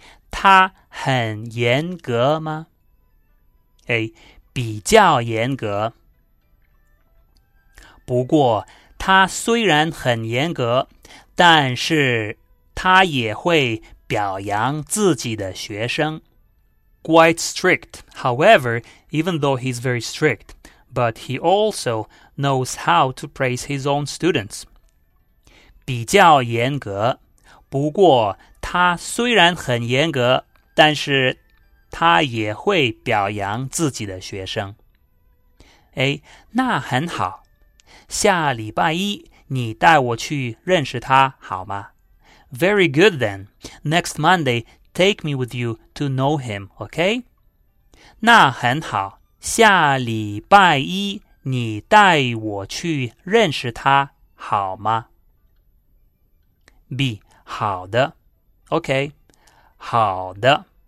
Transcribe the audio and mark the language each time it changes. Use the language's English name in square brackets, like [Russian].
[Chinese] 他很严格吗？ A. 比较严格。不过他虽然很严格，但是他也会表扬自己的学生。 [English] Quite strict. However, even though he's very strict, but he also knows how to praise his own students. [Chinese] 比较严格。不过他虽然很严格，但是他也会表扬自己的学生。 A. 那很好。下礼拜一你带我去认识他好吗？ [English] Very good then. Next Monday, take me with you to know him, okay? [Chinese] 那很好。下礼拜一你带我去认识他好吗？ B. 好的。 OK, 好的。